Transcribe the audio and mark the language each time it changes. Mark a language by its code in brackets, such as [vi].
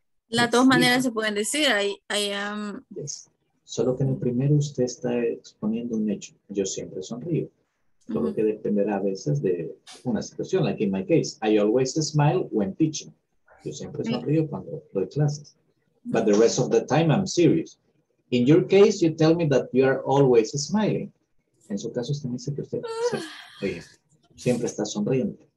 [es] Las dos maneras se pueden decir, [en] I am... Yes. [es] Solo que en el primero usted está exponiendo un hecho. Yo siempre sonrío. Solo que dependerá a veces de una situación. [en] Like in my case, I always smile when teaching. [es] Yo siempre sonrío cuando doy clases. [en] But the rest of the time, I'm serious. In your case, you tell me that you are always smiling. [es] En su caso, usted me dice que usted siempre está sonriendo.